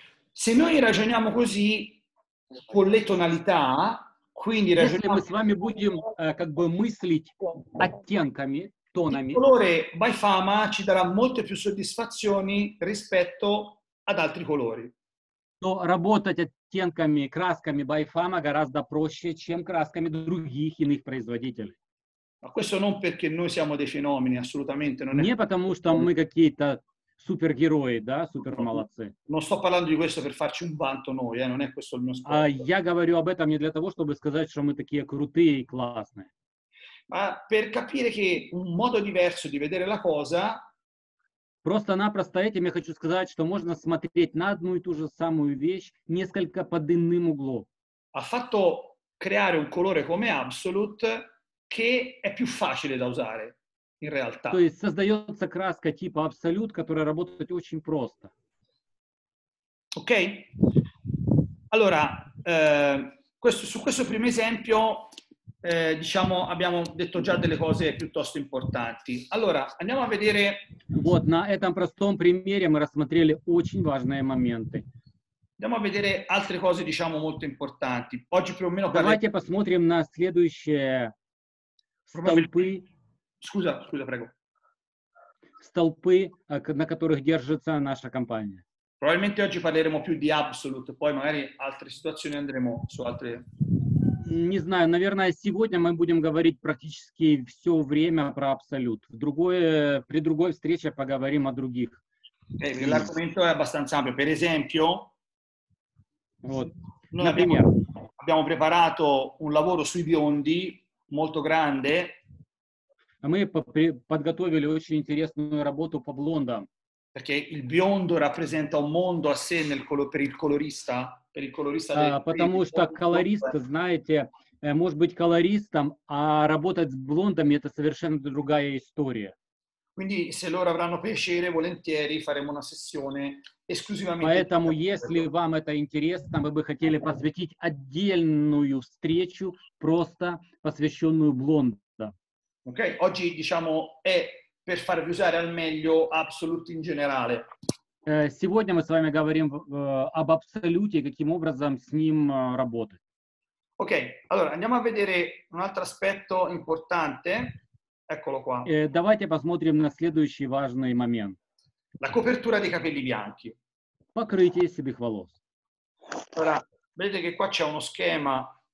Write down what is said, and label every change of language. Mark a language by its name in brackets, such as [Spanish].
[Italian] Se noi ragioniamo così con le tonalità, quindi ragioniamo. [Russian] Если мы с вами будем как бы мыслить оттенками, тонами. [Italian] Il colore Bifama ci darà molte più soddisfazioni rispetto ad altri colori. [Russian] Но работать оттенками, красками Bifama гораздо проще, чем красками других иных производителей. [Italian] Ma questo non perché noi siamo dei fenomeni, assolutamente non è. [Russian] Не потому что мы какие-то супергерои, да, супермолодцы. [Italian] Non sto parlando di questo per farci un vanto noi, non è questo il mio scopo. [Russian] Я говорю об этом не для того, чтобы сказать, что мы такие крутые и классные. [Italian] Ma per capire che un modo diverso di vedere la cosa. [Russian] Просто-напросто этим я хочу сказать, что можно смотреть на одну и ту же самую вещь несколько под иным углом. [Italian] Ha fatto creare un colore come Absolute che è più facile da usare in realtà. [Russian] То есть создается краска типа Absolute, которая работает очень просто. Ok. [Italian] Allora, su questo primo esempio. Diciamo abbiamo detto già delle cose piuttosto importanti. Allora andiamo a vedere. [Russian] Вот на этом простом примере мы рассмотрели очень важные моменты. [Italian] Andiamo a vedere altre cose, diciamo, molto importanti. Oggi più o meno. [Russian] Давайте посмотрим на следующие столпы. [Italian] Scusa, prego. [Russian] Столпы, на которых держится наша компания. [Italian] Probabilmente oggi parleremo più di Absolute, poi magari altre situazioni andremo su altre. [Russian] Не знаю, наверное, сегодня мы будем говорить практически все время про Absolute. При другой встрече поговорим о других. [Italian] L'argomento è abbastanza ampio. Per esempio, [Russian] вот. [Italian] Noi abbiamo preparato un lavoro sui biondi molto grande. [Russian] Мы подготовили очень интересную работу по блондам. [Italian] Perché il biondo rappresenta un mondo a sé per il colorista. [Russian] Потому что колорист, знаете, может быть колористом, а работать с блондами это совершенно другая история. [Italian] Quindi se loro avranno piacere, volentieri faremo una sessione esclusivamente. [Russian] Поэтому если вам это интересно, мы бы хотели посвятить отдельную встречу просто посвященную блондам. [Italian] Ok, oggi diciamo è per farvi usare al meglio Absolute in generale. [Russian] Сегодня мы с вами говорим об Абсолюте, каким образом с ним работать. [Italian] Окей, allora andiamo a vedere un altro aspetto importante. Eccolo qua. [Russian] Давайте посмотрим на следующий важный момент. [Italian] La copertura dei capelli bianchi. [Russian] Покрытие седых волос. [Italian] Allora, vedete che qua c'è uno schema.